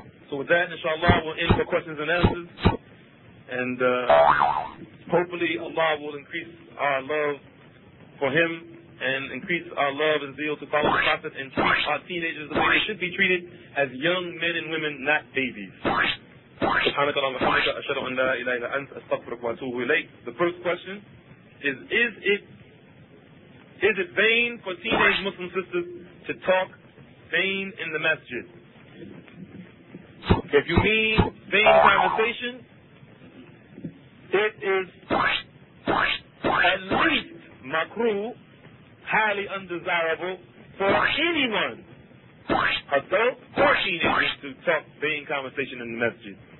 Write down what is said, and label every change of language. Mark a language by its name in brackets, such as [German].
[English] So with that, inshallah, we'll end for questions and answers. And hopefully Allah will increase our love for him and increase our love and zeal to follow the Prophet and treat our teenagers the way they should be treated, as young men and women, not babies. [Arabic] سبحانك اللهم وبحمدك أشهد أن لا إله إلا أنت أستغفرك وأتوب إليك. [English] The first question is it vain for teenage Muslim sisters to talk vain in the masjid? If you mean vain conversation, it is at least makruh, highly undesirable for anyone, adult or teenage, to talk vain conversation in the masjid.